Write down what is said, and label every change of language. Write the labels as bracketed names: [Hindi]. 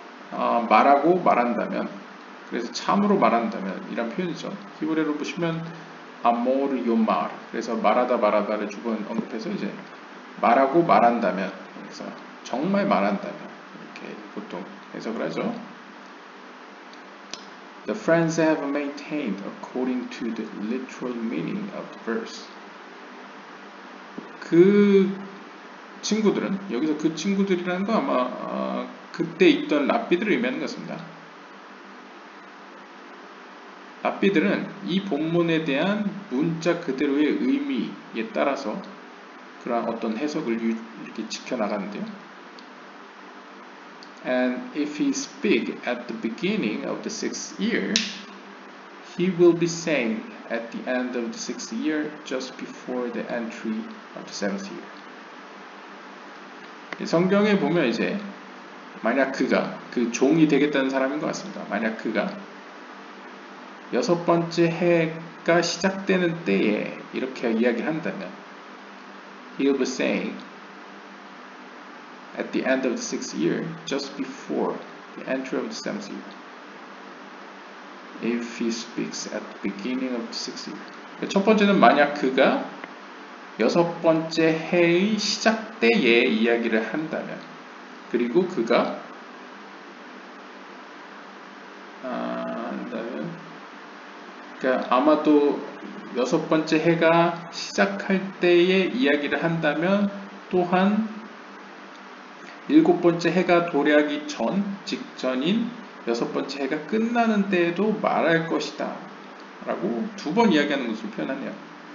[Korean] 말하고 말한다면, 그래서 참으로 말한다면 이란 표현이죠. 히브리어로 보시면 [Hebrew] amor yomar, [Korean] 그래서 말하다 말하다를 두 번 언급해서 이제 말하고 말한다면, 그래서 정말 말한다면 이렇게 보통 해석을 하죠. [English] The friends have maintained according to the literal meaning of the verse. [Korean] 그 친구들은, 여기서 그 친구들이라는 거 아마 그때 있던 랍비들을 의미하는 것 같습니다. 랍비들은 이 본문에 대한 문자 그대로의 의미에 따라서 그런 어떤 해석을 이렇게 지켜나가는데요. [English] And if he speak at the beginning of the sixth year, he will be saying at the end of the sixth year, just before the entry of the seventh year. [Korean] 성경에 보면 이제 만약 그가 그 종이 되겠다는 사람인 것 같습니다. 만약 그가 여섯 번째 해가 시작되는 때에 이렇게 이야기를 한다면 [English] He'll be saying at the end of the sixth year, just before the entry of the seventh year. If he speaks at the beginning of the sixth year. [Korean] 첫 번째는 만약 그가 여섯 번째 해의 시작 때에 이야기를 한다면 그리고 그가 그러니까 아마도 여섯 번째 해가 시작할 때에 이야기를 한다면 또한 일곱 번째 해가 도래하기 전 직전인 여섯 번째 해가 끝나는 때에도 말할 것이다 라고 두 번 이야기하는 것을 표현하네요.